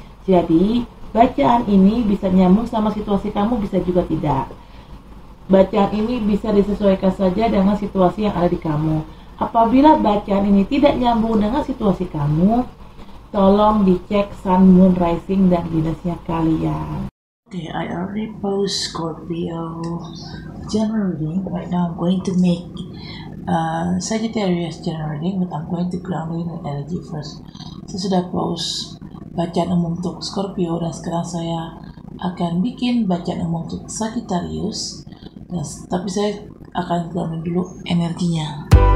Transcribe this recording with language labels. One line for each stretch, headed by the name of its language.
Indonesian: Jadi, bacaan ini bisa nyambung sama situasi kamu, bisa juga tidak. Bacaan ini bisa disesuaikan saja dengan situasi yang ada di kamu. Apabila bacaan ini tidak nyambung dengan situasi kamu, tolong dicek sun, moon, rising, dan Venus-nya kalian.
English: Okay, I already post Scorpio generally. Right now I'm going to make Sagittarius generally, but I'm going to ground in energy first.
Indonesian: Saya sudah post bacaan umum untuk Scorpio dan sekarang saya akan bikin bacaan umum untuk Sagittarius. Yes, tapi saya akan keluarin dulu energinya.